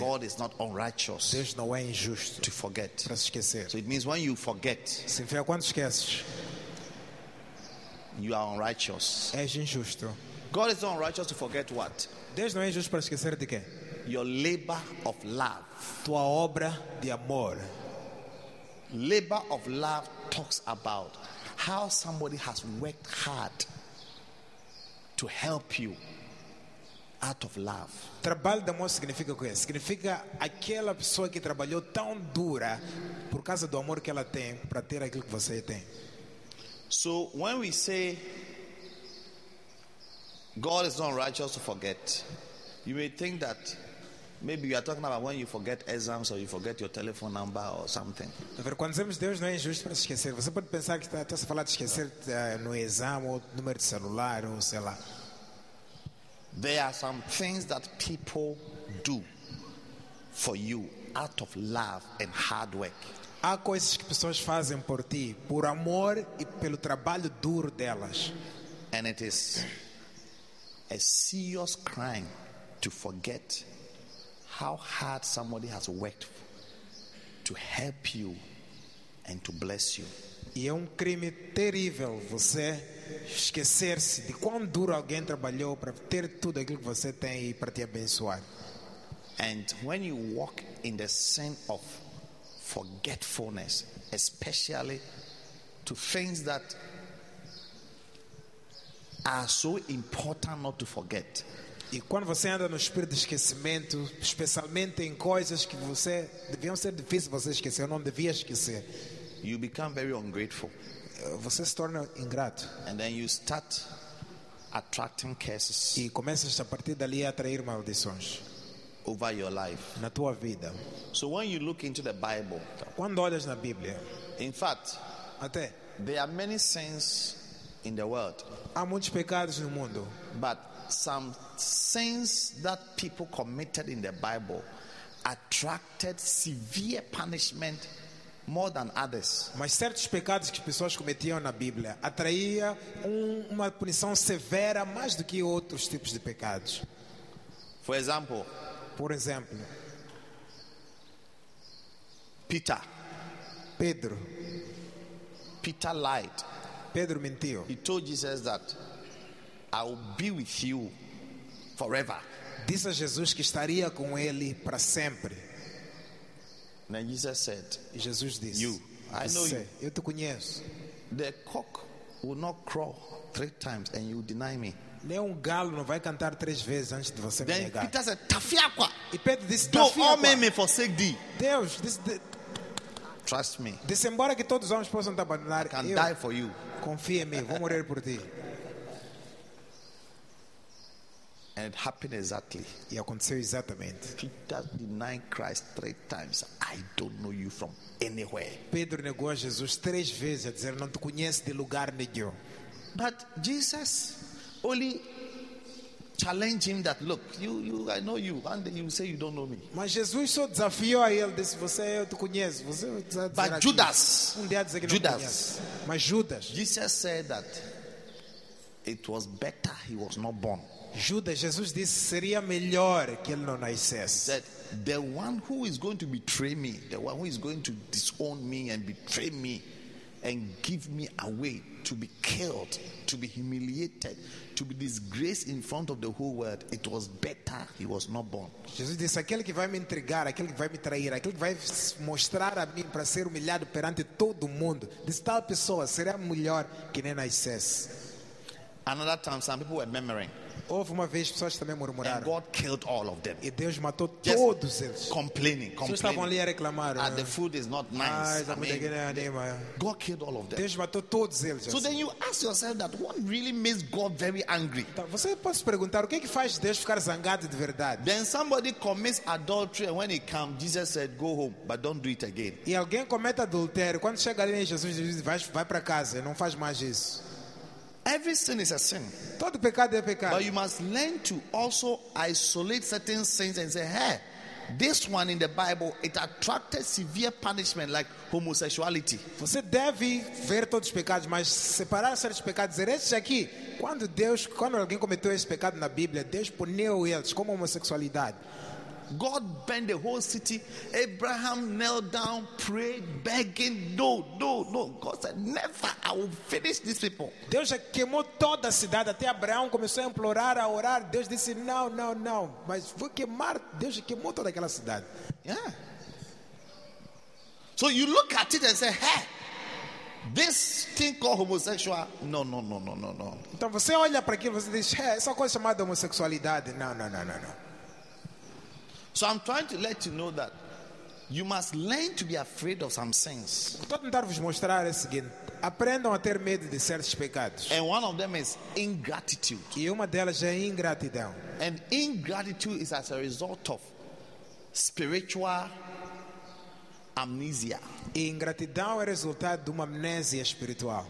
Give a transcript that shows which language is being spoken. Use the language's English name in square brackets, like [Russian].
[English] God is not unrighteous. [Portuguese] Deus não é injusto [English] to forget. [Portuguese] Para se esquecer. [English] So it means when you forget. [Portuguese] Significa quando esqueces. [English] You are unrighteous. [Portuguese] És injusto. [English] God is not unrighteous to forget what? [Portuguese] Deus não é injusto para esquecer de quê? [English] Your labor of love. [Portuguese] Tua obra de amor. [English] Labor of love talks about how somebody has worked hard to help you out of love. [Portuguese] Trabalho de amor significa o quê? Significa aquela pessoa que trabalhou tão dura por causa do amor que ela tem para ter aquilo que você tem. [English] So when we say God is not righteous to forget, you may think that maybe you are talking about when you forget exams or you forget your telephone number or something. [Portuguese] Quando dizemos Deus não é injusto para esquecer, você pode pensar que está a falar de esquecer no exame ou número de celular ou sei lá. [English] There are some things that people do for you out of love and hard work. [Portuguese] Há coisas que pessoas fazem por ti, por amor e pelo trabalho duro delas. [English] And it is a serious crime to forget how hard somebody has worked to help you and to bless you. [Portuguese] E é crime terrível você esquecer-se de quão duro alguém trabalhou para ter tudo aquilo que você tem e para te abençoar. [English] And when you walk in the sin of forgetfulness, especially to things that are so important not to forget. [Portuguese] E quando você anda no espírito de esquecimento, especialmente em coisas que você deviam ser difícil você esquecer, ou não devia esquecer. [English] You become very ungrateful. [Portuguese] Você se torna ingrato. [English] And then you start attracting curses. [Portuguese] E começas a partir dali a atrair maldições. [English] Over your life. [Portuguese] Na tua vida. [English] So when you look into the Bible. [Portuguese] Quando olhas na Bíblia. [English] In fact, [Portuguese] até [English] there are many sins in the world. [Portuguese] Há muitos pecados no mundo. [English] But some sins that people committed in the Bible attracted severe punishment more than others. [Portuguese] Mas certos pecados que pessoas cometiam na Bíblia atraía uma punição severa mais do que outros tipos de pecados. [English] For example, [Portuguese] por exemplo, [English] Peter. [Portuguese] Pedro. [English] Peter lied. [Portuguese] Pedro mentiu. [English] He told Jesus that I will be with you forever. [Portuguese] Disse a Jesus que estaria com ele para sempre. [English] Then Jesus said, [Portuguese] e Jesus disse, [English] you, I know [Portuguese] disse, [English] you. [Portuguese] Eu te conheço. [English] The cock will not crow three times and you deny me. [Portuguese] Nenhum galo não vai cantar três vezes antes de você [English] then [Portuguese] me negar. [English] Peter said, Tafiaqua. [Portuguese] E Pedro disse, [English] do all men may forsake thee. Deus, this, the, trust me. [Portuguese] Disse, embora que todos os homens possam te abandonar, [English] I can [Portuguese] eu, [English] die for you. [Portuguese] Confia em mim, vou morrer por ti. [English] And it happened exactly. [Portuguese] E aconteceu exatamente. [English] Peter denied Christ three times. I don't know you from anywhere. [Portuguese] Pedro negou a Jesus três vezes, a dizer, não te conheço de lugar nenhum. [English] But Jesus only challenged him that, look, you, I know you, and you say you don't know me. [Portuguese] Mas Jesus só desafiou a ele, disse, você, eu te conheço, você. [English] But Judas. [Portuguese] Um dia dizer que [English] Judas. [Portuguese] Não conhece. Mas Judas. [English] Jesus said that it was better he was not born. [Portuguese] Judas, Jesus disse, seria melhor que ele não nascesse. [English] The one who is going to betray me, the one who is going to disown me and betray me and give me away to be killed, to be humiliated, to be disgraced in front of the whole world, it was better he was not born. [Portuguese] Jesus disse, aquele que vai me entregar, aquele que vai me trair, aquele que vai mostrar a mim para ser humilhado perante todo mundo, disse, tal pessoa seria melhor que nem nascesse. [English] Another time, some people were murmuring. [Portuguese] Houve uma vez pessoas também murmuraram. [English] And God killed all of them. [Portuguese] E Deus matou todos eles. [English] Complaining, complaining. [Portuguese] Estavam ali a reclamar. [English] And the food is not nice. Ah, I mean, God killed all of them. [Portuguese] Deus matou todos eles. [English] So then you ask yourself that what really makes God very angry? [Portuguese] Então, você pode se perguntar o que é que faz Deus ficar zangado de verdade? [English] Then somebody commits adultery and when he comes, Jesus said, go home, but don't do it again. [Portuguese] E alguém comete adultério, quando chega ali, Jesus diz, vai para casa, não faz mais isso. [English] Every sin is a sin. [Portuguese] Todo pecado é pecado. [English] But you must learn to also isolate certain sins and say, hey, this one in the Bible, it attracted severe punishment like homosexuality. [Portuguese] Você deve ver todos os pecados, mas separar certos pecados. Dizer, esses aqui, quando Deus, quando alguém cometeu esse pecado na Bíblia, Deus puniu eles como homossexualidade. [English] God burned the whole city. Abraham knelt down, prayed, begging. No. God said, never. I will finish these people. [Portuguese] Deus já queimou toda a cidade. Até Abraão começou a implorar, a orar. Deus disse, não. Mas vou queimar. Deus já queimou toda aquela cidade. [English] Yeah. So you look at it and say, hey, this thing called homosexual. No. [Portuguese] Então você olha para aquilo e você diz, hey, essa coisa chamada homossexualidade. Não. [English] So I'm trying to let you know that you must learn to be afraid of some sins. [Portuguese] Estou a tentar vos mostrar o seguinte. Aprendam a ter medo de certos pecados. [English] And one of them is ingratitude. [Portuguese] E uma delas é ingratidão. [English] And ingratitude is as a result of spiritual amnesia. [Portuguese] E ingratidão é resultado de uma amnésia espiritual.